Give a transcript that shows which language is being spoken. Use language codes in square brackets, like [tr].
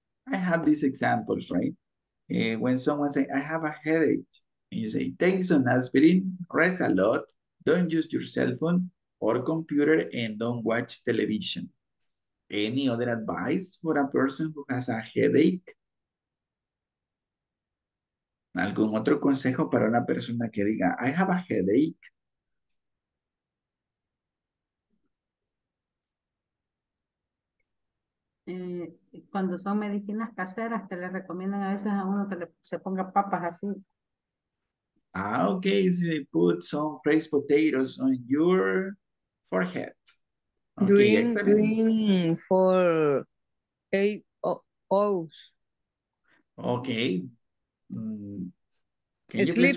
[en] I have these examples, right? When someone says, I have a headache, and you say, take some aspirin, rest a lot, don't use your cell phone or computer, and don't watch television. Any other advice for a person who has a headache? [es] ¿Algún otro consejo para una persona que diga, [en] I have a headache? [es] Cuando son medicinas caseras, te le recomiendan a veces a uno que se ponga papas así. [en] Ah, okay, so you put some fresh potatoes on your forehead. Okay, Doing for 8 hours. Okay. Sleep